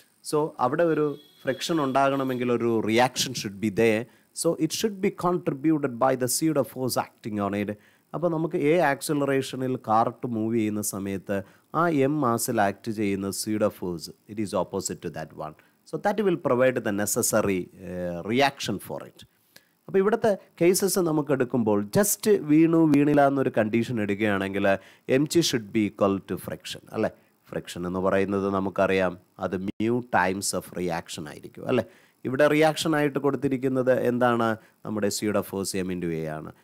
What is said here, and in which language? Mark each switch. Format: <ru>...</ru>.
<ml>So അവിടെ ഒരു friction ഉണ്ടാകണമെങ്കിൽ ഒരു</ml> <en>Reaction should be there. So it should be contributed by the seed of force acting on it.</en> <ml>അപ്പോൾ നമുക്ക് ഏ ആക്സിലറേഷനിൽ കാർട്ട് മൂവ് ചെയ്യുന്ന സമയത്ത് ആ എം മാസിൽ ആക്ട് ചെയ്യുന്ന</ml> <en>Seed of force it is opposite to that one. So that will provide the necessary reaction for it.</en> <ml>അപ്പോൾ ഇവിടുത്തെ cases നമുക്ക് എടുക്കുമ്പോൾ, ജസ്റ്റ് വീണു വീണില്ല എന്നൊരു കണ്ടീഷൻ എടുക്കുകയാണെങ്കിൽ</ml> <en>M G should be equal to friction,</en> <ml>അല്ലേ? ഫ്രിക്ഷൻ എന്ന് പറയുന്നത് നമുക്കറിയാം അത് മ്യൂ ടൈംസ് ഓഫ് റിയാക്ഷൻ ആയിരിക്കും, അല്ലേ? ഇവിടെ റിയാക്ഷനായിട്ട് കൊടുത്തിരിക്കുന്നത് എന്താണ്? നമ്മുടെ സിയുടെ ഫോഴ്സ് എം ഇൻ്റു എ ആണ്.</ml>